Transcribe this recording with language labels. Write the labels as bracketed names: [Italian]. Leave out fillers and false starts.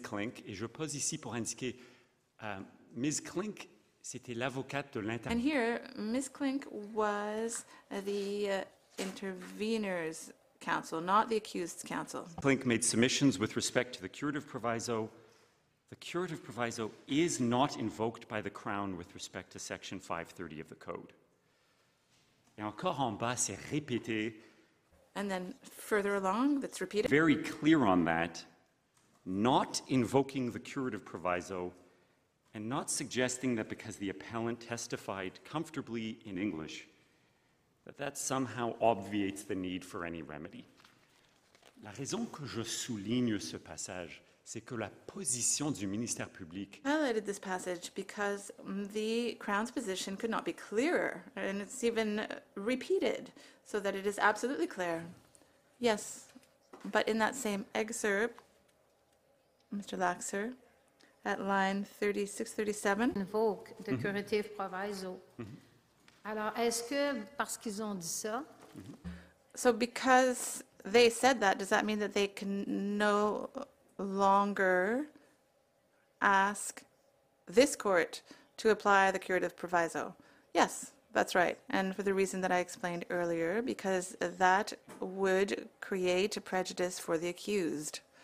[French] Klink, et je pose ici pour indiquer, Ms. Klink, c'était l'avocate de l'inter... [English] And here, Ms. Klink was the intervener's counsel, not the accused's counsel. Klink made submissions with respect to the curative proviso. The curative proviso is not invoked by the Crown with respect to Section 530 of the Code. [French] Et encore en bas, c'est répété. [English] And then further along, that's repeated. Very clear on that. Not invoking the curative proviso and not suggesting that because the appellant testified comfortably in English, that somehow obviates the need for any remedy. [French] La raison que je souligne ce passage, c'est que la position du ministère public... [English] I highlighted this passage because the Crown's position could not be clearer, and it's even repeated so that it is absolutely clear. Yes, but in that same excerpt, Mr. Laxer, at line 36-37. Invoke the curative proviso. [French] Alors, est-ce que parce qu'ils ont dit ça? [English] So because they said that, does that mean that they can no longer ask this court to apply the curative proviso? Yes, that's right. And for the reason that I explained earlier, because that would create a prejudice for the accused.